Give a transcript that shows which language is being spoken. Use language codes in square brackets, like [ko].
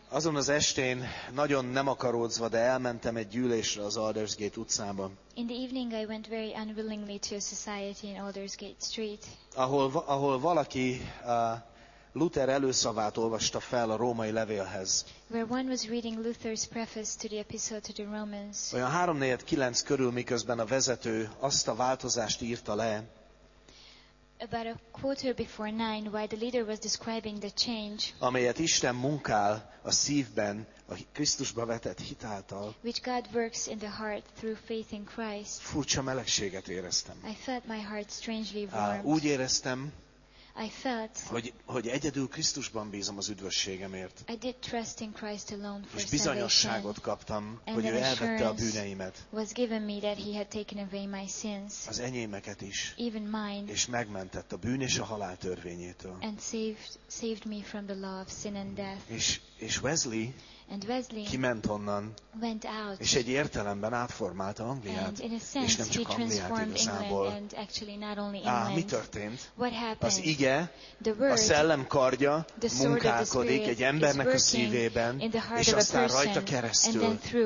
[hu] azon az estén nagyon nem akaródzva, de elmentem egy gyűlésre az Aldersgate utcába. [en] In the evening I went very unwillingly to a society in Aldersgate Street. [hu] Ahol valaki Luther előszavát olvasta fel a római levélhez. [en] Where one was reading Luther's preface to the epistle to the Romans. [hu] Olyan 3:49 körül, miközben a vezető azt a változást írta le. [en] About a quarter before nine, while the leader was describing the change, [hu] amelyet Isten munkál a szívben, a Krisztusba vetett hit által, [en] which God works in the heart through faith in Christ, [hu] furcsa melegséget éreztem. [en] I felt my heart strangely warmed. [hu] Úgy éreztem, [en] I felt, [hu] hogy egyedül Krisztusban bízom az üdvösségemért. [en] I did trust in Christ alone for [hu] és bizonyosságot kaptam, hogy ő elvette a bűneimet. [en] Was given me that he had taken away my sins, [hu] az enyémeket is. [en] Even mine, [hu] és megmentett a bűn és a halál törvényétől. [en] And saved me from the law of sin and death. [hu] És Wesley, [en] and Wesley [hu] kiment onnan, [en] went out, [hu] és egy értelemben átformálta Angliát, [en] and in a sense, [hu] és nem csak Angliát igazából. [en] And actually not only England. [hu] Mi történt? [en] What happened? [hu] Az ige, a szellem kardja munkálkodik egy embernek a szívében, és aztán rajta keresztül.